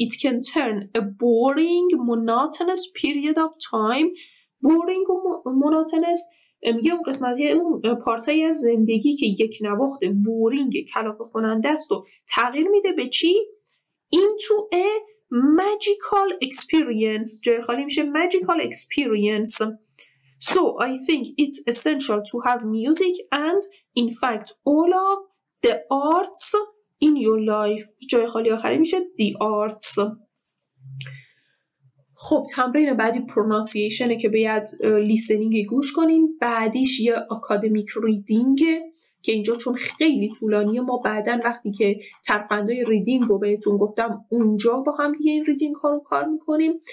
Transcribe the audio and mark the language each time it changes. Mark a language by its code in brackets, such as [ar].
[en] It can turn a boring monotonous period of time. [fa] Boring و monotonous میگه اون قسمتی اون پارتایی از زندگی که یک نواخته boring کلافه کننده است و تغییر میده به چی؟ [en] Into a magical experience. [fa] جای خالی میشه magical experience. [en] So I think it's essential to have music and in fact all of the arts in your life. [fa] جای خالی آخری میشه the arts. خب تمرین بعدی پرونانسیشن که باید لیسنینگ گوش کنیم. بعدیش یه اکادمیک ریدینگ که اینجا چون خیلی طولانیه ما بعدن وقتی که ترفندهای ریدینگ رو بهتون گفتم اونجا با هم دیگه این ریدینگ ها رو کار میکنیم.